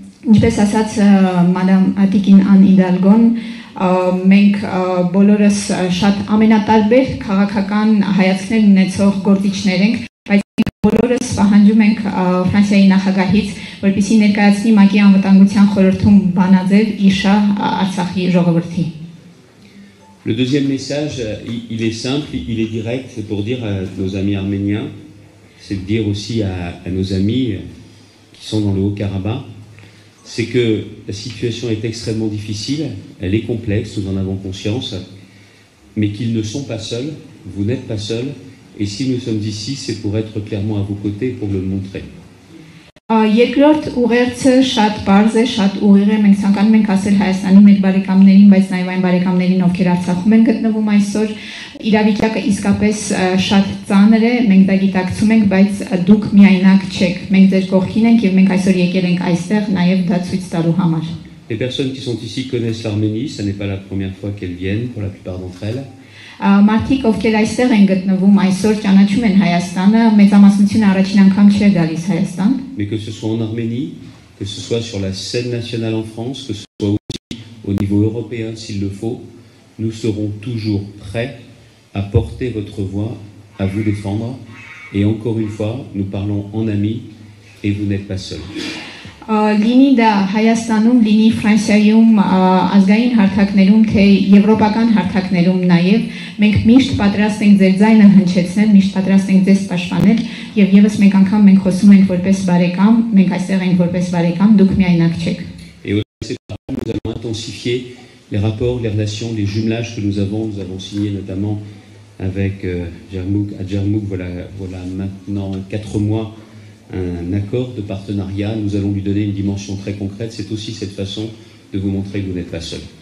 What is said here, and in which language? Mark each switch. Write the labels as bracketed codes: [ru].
[hy] Ինչպես ասաց Madame Atikin Ann Hidalgo, մենք բոլորս շատ ամենատարբեր քաղաքական հայացքներ ունեցող գործիչներ ենք, բայց մենք բոլորս պահանջում ենք Ֆրանսիայի նախագահից, որպեսզի ներկայացնի ՄԱԿ-ի անվտանգության խորհրդում բանաձև իշխա Արցախի ժողովրդի. [fr] Le deuxième message, il est simple, il est direct, c'est pour dire à nos amis arméniens, c'est de dire aussi à nos amis qui sont dans le Haut-Karabakh, c'est que la situation est extrêmement difficile, elle est complexe, nous en avons conscience, mais qu'ils ne sont pas seuls, vous n'êtes pas seuls, et si nous sommes ici, c'est pour être clairement à vos côtés, pour le montrer. [hy] Երկրորդ ուղերձը շատ պարզ է, շատ ուղիղ է, մենք ցանկանում ենք ասել Հայաստանի մեր բարեկամներին, բայց նաև այն բարեկամներին, ովքեր Արցախում են գտնվում այսօր, իրավիճակը իսկապես շատ ծանր է, մենք դա գիտակցում ենք, բայց դուք միայնակ չեք, մենք ձեր կողքին ենք և մենք այսօր եկել ենք այստեղ նաև դա ցույց տալու համար. [fr] Les personnes qui sont ici connaissent l'Arménie, ce n'est pas la première fois qu'elles viennent pour la plupart d'entre elles. [hy] Մարդիկ, ովքեր այստեղ են գտնվում այսօր, ճանաչում են Հայաստանը, մեծամասնությունը առաջին անգամ չէ գալիս Հայաստան։ [fr] Mais que ce soit en Arménie, que ce soit sur la scène nationale en France, que ce soit aussi au niveau européen s'il le faut, nous serons toujours prêts à porter votre voix, à vous défendre. Et encore une fois, nous parlons en amis et vous n'êtes pas seuls. [hy] Լինի դա Հայաստանում, լինի Ֆրանսիայում, ազգային հարթակներում, թե եվրոպական հարթակներում նաև, մենք միշտ պատրաստ ենք ձեր ձայնը հնչեցնել, միշտ պատրաստ ենք ձեզ պաշտպանել, և ևս մեկ անգամ մենք խոսում ենք որպես բարեկամ, մենք այստեղ ենք որպես բարեկամ, դուք միայնակ չեք։ [fr] Nous allons intensifier les rapports, les relations, les jumelages que nous avons signé notamment avec Jarmouk, à Jarmouk, voilà maintenant 4 mois. Un accord de partenariat, nous allons lui donner une dimension très concrète. C'est aussi cette façon de vous montrer que vous n'êtes pas seul.